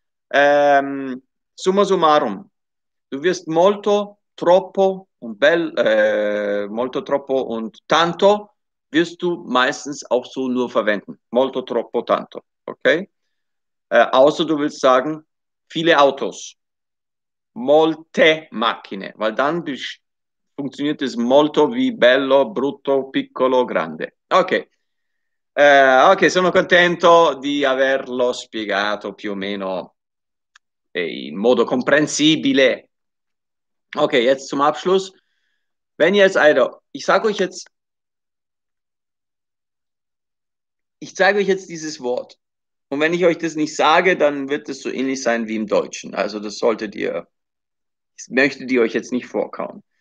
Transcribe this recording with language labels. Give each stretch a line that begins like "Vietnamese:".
German: Summa summarum. Du wirst molto troppo und tanto wirst du meistens auch so nur verwenden. Molto troppo tanto. Okay? Außer du willst sagen, viele Autos.
Italian: Molte macchine.
German: Weil dann funktioniert es molto wie bello, brutto, piccolo, grande. Okay.
Italian: Ok, sono contento di averlo spiegato più o meno in modo comprensibile.
German: Ok, jetzt zum Abschluss. Wenn jetzt also, ich zeige euch jetzt dieses Wort. Und wenn ich euch das nicht sage, dann wird es so ähnlich sein wie im Deutschen. Also das solltet ihr, ich möchte die euch jetzt nicht vorkauen.